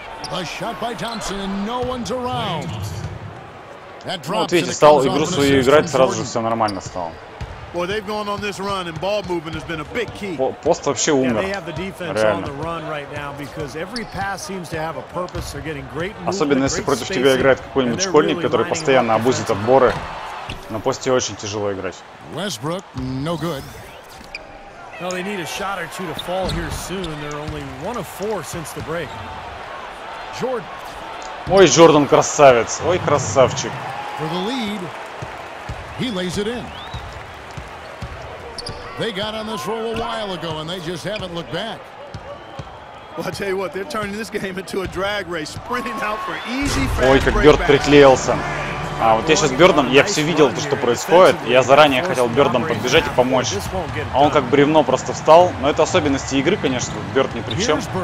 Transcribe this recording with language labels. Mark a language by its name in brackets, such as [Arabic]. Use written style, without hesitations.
[English] A shot by Thompson, and no one's around. That drops. [Russian] Вот видите, стал игру свою играть, сразу же все нормально стало. [English] Boy, they've gone on this run, and ball movement has been a big key. [Russian] Пост вообще умер. [English] Yeah, they have the defense on the run right now because every pass seems to have a purpose. They're getting great movement. [Russian] Особенно если против тебя играет какой-нибудь школьник, который постоянно обузит отборы, на посте очень тяжело играть. [English] Westbrook, no good. Well, they need a shot or two to fall here soon. They're only one of four since the break. Jordan. [Russian] Ой, Джордан, красавец. Ой, красавчик. [English] For the lead, he lays it in. They got on this roll a while ago, and they just haven't looked back. Well, I tell you what, they're turning this game into a drag race, sprinting out for easy. [Russian] Ой, как Бёрд приклеился. А вот я сейчас Бёрдом, я все видел то, что происходит. Я заранее хотел Бёрдом подбежать и помочь. А он как бревно просто встал. Но это особенности игры, конечно, тут Бёрд ни при чем.